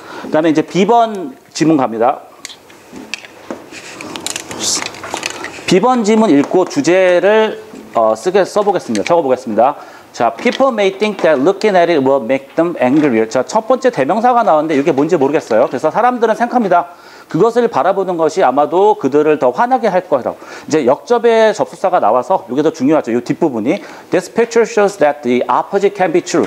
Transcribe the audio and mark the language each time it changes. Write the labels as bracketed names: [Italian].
[Korean] 그다음에 이제 B번 지문 갑니다. B번 지문 읽고 주제를 써보겠습니다. 적어보겠습니다. [English] 자, people may think that looking at it will make them angry. [Korean] 자, 첫 번째 대명사가 나왔는데 이게 뭔지 모르겠어요. 그래서 사람들은 생각합니다. 그것을 바라보는 것이 아마도 그들을 더 화나게 할 거라고. 이제 역접의 접속사가 나와서 이게 더 중요하죠. 이 뒷부분이. [English] This picture shows that the opposite can be true.